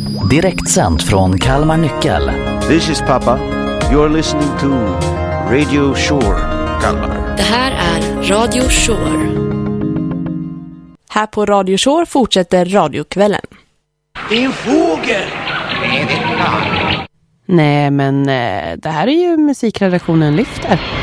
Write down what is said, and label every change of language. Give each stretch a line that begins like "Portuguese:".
Swedish: direkt sänd från Kalmar Nyckel.
English: This is Papa. You are listening to Radio Shore, Kalmar.
Swedish: Det här är Radio Shore. Här på Radio Shore fortsätter radiokvällen. Det är en fågel! Nej, men det här är ju musikredaktionen lyfter.